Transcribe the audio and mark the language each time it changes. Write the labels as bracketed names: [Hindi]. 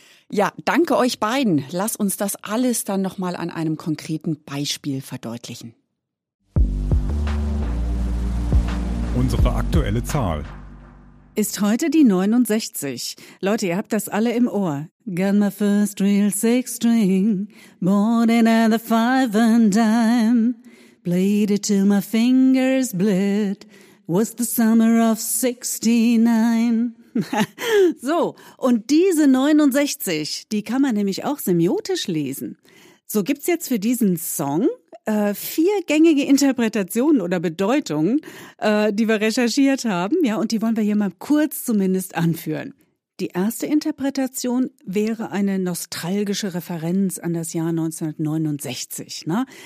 [German] Ja, danke euch beiden. Lass uns das alles dann nochmal an einem konkreten Beispiel verdeutlichen. Unsere aktuelle Zahl. ist heute die 69. Leute, ihr habt das alle im Ohr. [English] Got my first real six string, bought it at the five and dime. Played it till my fingers bled, was the summer of 69. [German] So, und diese 69, die kann man nämlich auch semiotisch lesen. So gibt's jetzt für diesen Song 4 gängige Interpretationen oder Bedeutungen, die wir recherchiert haben. Ja, und die wollen wir hier mal kurz zumindest anführen. Die erste Interpretation wäre eine nostalgische Referenz an das Jahr 1969. Ne?